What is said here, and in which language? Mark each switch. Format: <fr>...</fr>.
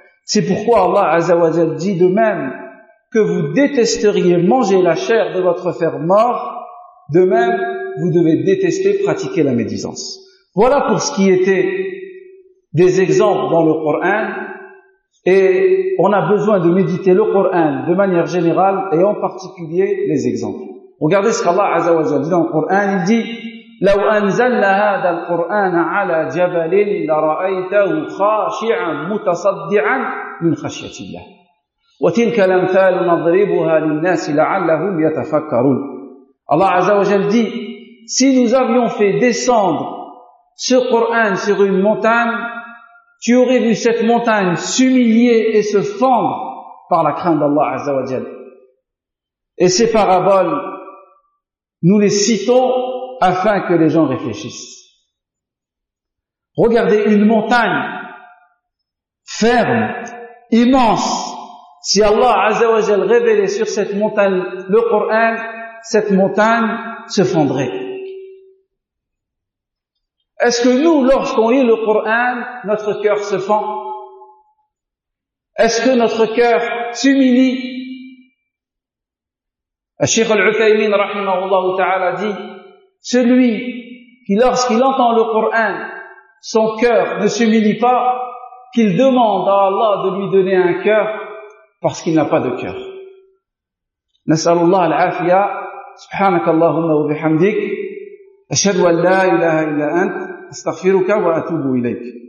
<fr>C'est pourquoi Allah Azza wa Jalla dit de même que vous détesteriez manger la chair de votre frère mort, de même vous devez détester pratiquer la médisance. Voilà pour ce qui était des exemples dans le Coran, et on a besoin de méditer le Coran de manière générale et en particulier les exemples. Regardez ce qu'Allah Azza wa Jalla dit dans le Coran, il dit لو أنزلنا هذا القرآن على جبل لرأيته خاشعا متصدعا من خشية الله وتلك الأمثال نضربها للناس لعلهم يتفكرون. Allah Azza wa Jalla dit, si nous avions fait descendre ce Coran sur une montagne, tu aurais vu cette montagne s'humilier et se fendre par la crainte d'Allah Azza wa Jalla. Et ces paraboles, nous les citons afin que les gens réfléchissent. Regardez une montagne ferme, immense. Si Allah Azza wa Jalla révélait sur cette montagne le Coran, cette montagne se fendrait. Est-ce que nous, lorsqu'on lit le Coran, notre cœur se fend? Est-ce que notre cœur s'humilie? Al-Sheikh Al-Uthaymin, rahimahullah ta'ala, dit, celui qui, lorsqu'il entend le Coran, son cœur ne s'humilie pas, qu'il demande à Allah de lui donner un cœur, parce qu'il n'a pas de cœur.</fr> <ar>نسأل الله العافية سبحانك اللهم وبحمدك أشهد أن لا إله إلا أنت أستغفرك وأتوب إليك</ar>